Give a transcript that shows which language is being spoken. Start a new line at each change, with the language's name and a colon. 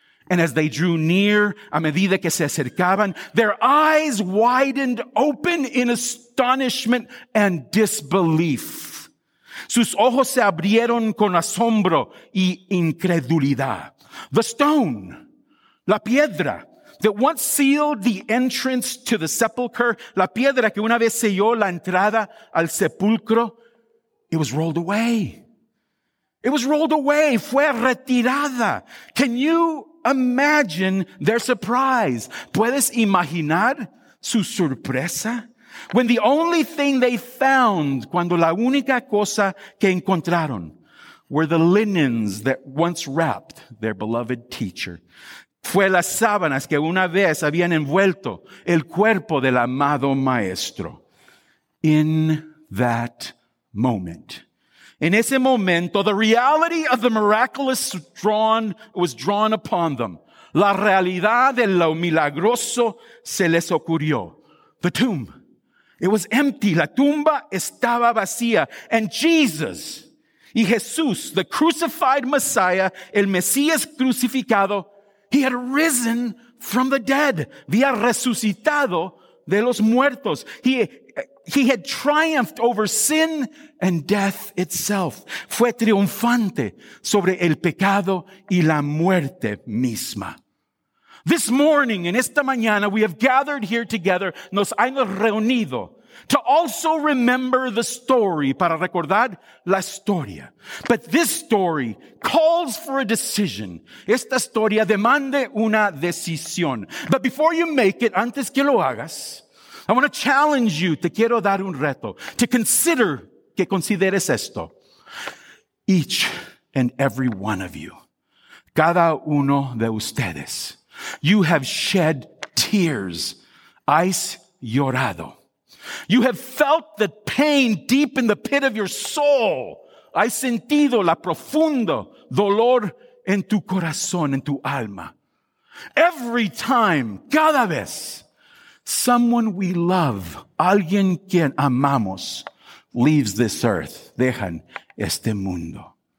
English: And as they drew near,
Spanish: a medida que se acercaban,
English: their eyes widened open in astonishment and disbelief.
Spanish: Sus ojos se abrieron con asombro y incredulidad.
English: The stone,
Spanish: la piedra
English: that once sealed the entrance to the sepulcher,
Spanish: la piedra que una vez selló la entrada al sepulcro,
English: it was rolled away. It was rolled away.
Spanish: Fue retirada.
English: Can you imagine their surprise?
Spanish: ¿Puedes imaginar su sorpresa?
English: When the only thing they found,
Spanish: cuando la única cosa que encontraron,
English: were the linens that once wrapped their beloved teacher.
Spanish: Fue las sábanas que una vez habían envuelto el cuerpo del amado maestro.
English: In that moment.
Spanish: En ese momento,
English: the reality of the miraculous was drawn upon them.
Spanish: La realidad de lo milagroso se les ocurrió.
English: The tomb. It was empty.
Spanish: La tumba estaba vacía.
English: And Jesus,
Spanish: y Jesús,
English: the crucified Messiah,
Spanish: el Mesías crucificado,
English: he had risen from the dead.
Spanish: Había resucitado de los muertos.
English: He had triumphed over sin and death itself.
Spanish: Fue triunfante sobre el pecado y la muerte misma.
English: This morning,
Spanish: en esta mañana,
English: we have gathered here together,
Spanish: nos hemos reunido,
English: to also remember the story,
Spanish: para recordar la historia.
English: But this story calls for a decision.
Spanish: Esta historia demanda una decisión.
English: But before you make it,
Spanish: antes que lo hagas,
English: I want to challenge you,
Spanish: te quiero dar un reto,
English: to consider,
Spanish: que consideres esto.
English: Each and every one of you,
Spanish: cada uno de ustedes,
English: you have shed tears,
Spanish: has llorado.
English: You have felt the pain deep in the pit of your soul.
Spanish: Has sentido la profundo dolor en tu corazón, en tu alma.
English: Every time,
Spanish: cada vez,
English: someone we love,
Spanish: alguien quien amamos,
English: leaves this earth,
Spanish: dejan este mundo.